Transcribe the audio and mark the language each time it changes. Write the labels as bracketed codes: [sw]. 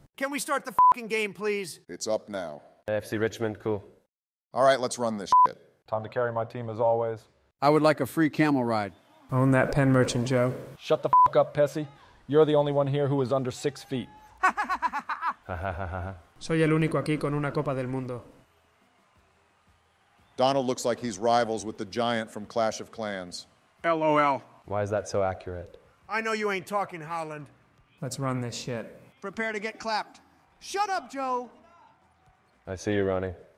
[en] Can we start the fucking game, please? It's up now. FC Richmond, cool. All right, let's run this shit. Time to carry my team, as always. I would like a free camel ride. Own that pen merchant, Joe. Shut the fuck up, Pessy. You're the only one here who is under 6 feet. [es] Soy el único aquí con una copa del mundo. [en] Donald looks like he's rivals with the giant from Clash of Clans. LOL. Why is that so accurate? I know you ain't talking, Haaland. Let's run this shit. Prepare to get clapped. Shut up, Joe! I see you, Ronnie.